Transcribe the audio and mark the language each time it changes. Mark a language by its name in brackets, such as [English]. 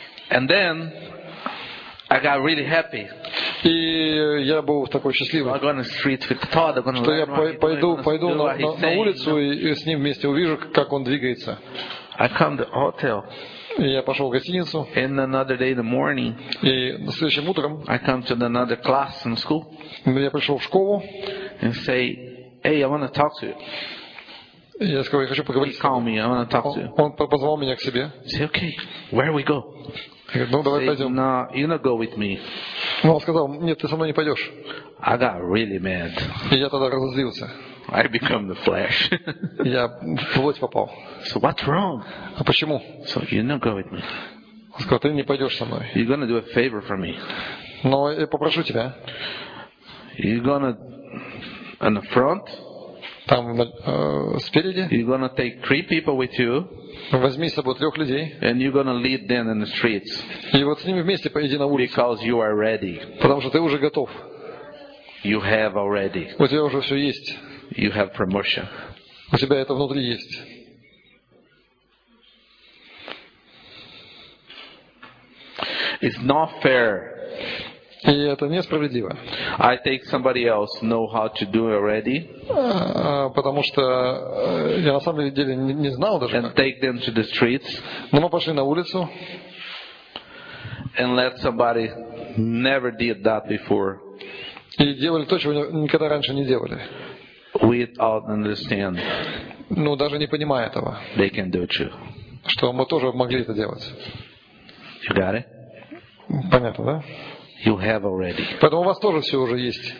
[English] And then I got really happy. [Russian] И я был такой счастливый. [English] I'm going to street with Todd. I'm going to [Russian] что я пойду на улицу и с ним вместе увижу, как он двигается. [English] I come to hotel. [Russian] И я пошел в гостиницу. [English] And another day in the morning. [Russian] И на следующем утром. [English] I come to another class in school. [Russian] Я пришел в школу. [English] And say, hey, I want to talk to you. [Russian] Я сказал, я хочу поговорить. [English] He called me. I want to talk to you. [Russian] Он позвал меня к себе. [English] Say, okay, where we go? [Russian] Я говорю, ну давай пойдем. [English] No, you not go with me. [Russian] Ну, он сказал, нет, ты со мной не пойдешь. [English] I got really mad. [Russian] И я тогда разозлился. [English] I become the flesh. [Russian] Я в плоть попал. [English] So what's wrong? [Russian] А почему? [English] So you not go with me. [Russian] Он сказал, ты не пойдешь со мной. [English] You're gonna do a favor for me. [Russian] Но я попрошу тебя. [English] You're gonna on the front. [Russian] Там спереди. [English] You're gonna take 3 people with you. [Russian] Возьми с собой 3 людей. [English] And you're gonna lead them in the streets. [Russian] И вот с ними вместе пойди на улицу. [English] Because you are ready. [Russian] Потому что ты уже готов. [English] You have already. [Russian] У тебя уже все есть. [English] You have promotion. [Russian] У тебя это внутри есть. [English] It's not fair. [Russian] И это несправедливо. [English] I take somebody else know how to do already. [Russian] Потому что я на самом деле не знал даже. [English] And take them to the streets. [Russian] Но мы пошли на улицу. [English] And let somebody never did that before. [Russian] И делали то, чего никогда раньше не делали. [English] Without understand. [Russian] Ну даже не понимая этого. [English] They can do it too. [Russian] Что мы тоже могли это делать. [English] You got it? [Russian] Понятно, да? [English] You have already. [Russian] Поэтому у вас тоже все уже есть.